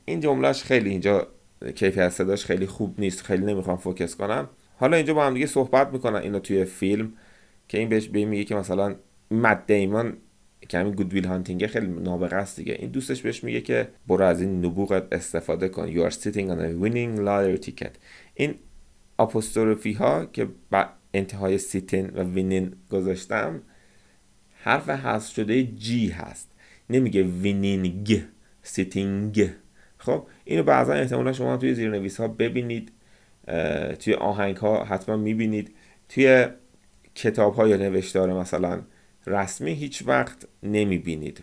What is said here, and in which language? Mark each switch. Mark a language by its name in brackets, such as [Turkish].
[Persian] این جملهش خیلی اینجا کیفیت صداش خیلی خوب نیست. خیلی نمیخوام فوکس کنم. حالا اینجا با هم دیگه صحبت میکنن اینا توی فیلم که این بهش میگه که مثلا مت دیمون که همین گود ویل هانتینگ خیلی نابغه است دیگه. این دوستش بهش میگه که برو از این نبوغت استفاده کن. [English] You are sitting on a winning lottery ticket. [Persian] این اپوستروفی ها که با انتهای sitting و winning گذاشتم حرف حذف شده جی هست، نمیگه وینینگ، سیتینگ. خب اینو بعضا احتمالا شما توی زیرنویس ها ببینید، توی آهنگ ها حتما میبینید، توی کتاب ها یا نوشتار مثلا رسمی هیچ وقت نمیبینید.